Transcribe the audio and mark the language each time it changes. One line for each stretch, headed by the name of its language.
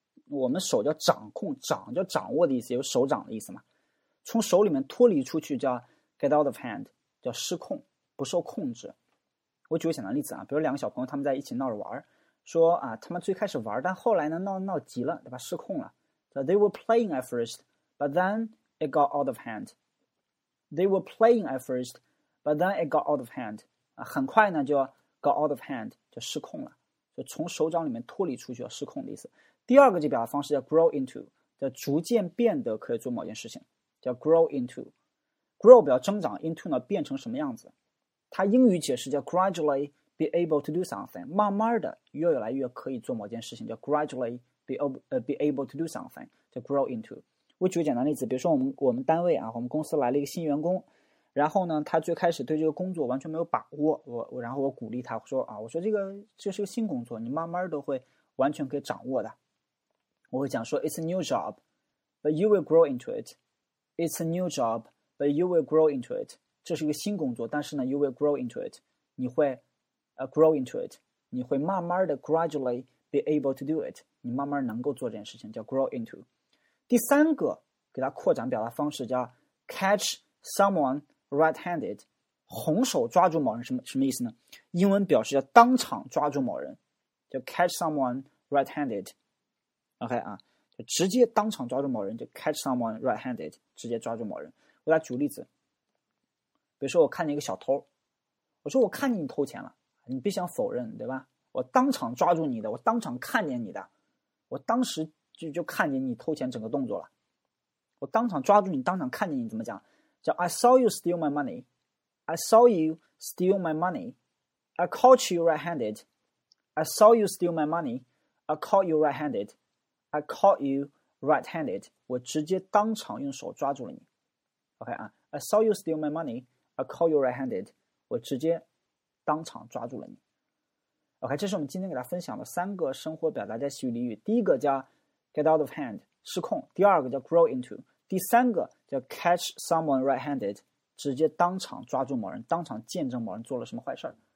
Chinese: 我们手叫掌控，掌叫掌握的意思，有手掌的意思嘛。从手里面脱离出去叫 get out of hand， 叫失控，不受控制。我举个简单例子啊，比如两个小朋友他们在一起闹着玩，说啊，他们最开始玩，但后来呢闹急了，对吧？失控了。
English: They were playing at first, but then it got out of hand. They were playing at first, but then it got out of hand.
Chinese: 啊，很快呢就
English: got out of hand，
Chinese: 就失控了，就从手掌里面脱离出去叫失控的意思。第二个就表达方式叫 grow into， 叫逐渐变得可以做某件事情，叫 grow into。 grow 表增长 ，into 呢变成什么样子？它英语解释叫
English: gradually be able to do something，
Chinese: 慢慢的越来越可以做某件事情，叫 gradually be able to do something， 叫 grow into。我举个简单例子，比如说我们单位啊，我们公司来了一个新员工，然后呢，他最开始对这个工作完全没有把握，我鼓励他说啊，我说这是个新工作，你慢慢都会完全可以掌握的。我会讲说
English: ，It's a new job, but you will grow into it. It's a new job, but you will grow into it.
Chinese: 这是一个新工作，但是呢 ，
English: you will grow into it.
Chinese: 你会
English: grow into it.
Chinese: 你会慢慢的
English: gradually be able to do it.
Chinese: 你慢慢能够做这件事情，叫 grow into. 第三个给它扩展表达方式叫 catch someone red-handed， 红手抓住某人，什么意思呢？英文表示叫当场抓住某人，叫 catch someone red-handed。 OK 啊，就直接当场抓住某人，就 catch someone red-handed， 直接抓住某人。我来举例子，比如说我看见一个小偷，我说我看见你偷钱了，你必须要否认，对吧？我当场抓住你的，我当场看见你的，我当时就看见你偷钱整个动作了，我当场抓住你，当场看见你怎么讲？
English: 叫 I saw you steal my money， I saw you steal my money， I caught you red-handed， I saw you steal my money， I caught you red-handed。 I caught you red-handed.
Chinese: 我直接当场用手抓住了你。
English: OK 啊 ，I saw you steal my money. I caught you red-handed.
Chinese: 我直接当场抓住了你。 OK， 这是我们今天给大家分享的三个生活表达加习语俚语。第一个叫 get out of hand， 失控；第二个叫 grow into； 第三个叫 catch someone red-handed， 直接当场抓住某人，当场见证某人做了什么坏事。